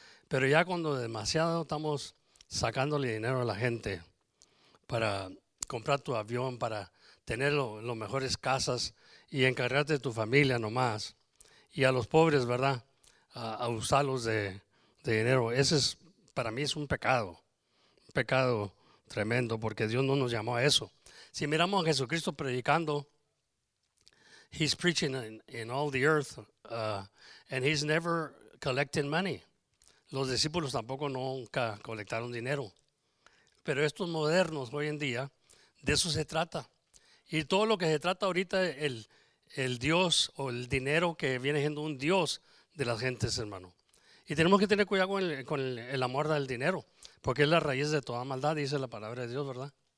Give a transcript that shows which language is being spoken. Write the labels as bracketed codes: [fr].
[es] Pero ya cuando demasiado estamos sacándole dinero a la gente para comprar tu avión, para tener los mejores casas y encargarte de tu familia nomás, y a los pobres, ¿verdad? A usarlos de dinero. Ese es, para mí, es un pecado tremendo, porque Dios no nos llamó a eso. Si miramos a Jesucristo predicando, [en] He's preaching in all the earth, and He's never collecting money. [es] Los discípulos tampoco nunca colectaron dinero. Pero estos modernos hoy en día, de eso se trata. Y todo lo que se trata ahorita, el Dios o el dinero que viene siendo un Dios de las gentes, hermano. Y tenemos que tener cuidado con el amor al dinero, porque es la raíz de toda maldad, dice la palabra de Dios, ¿verdad?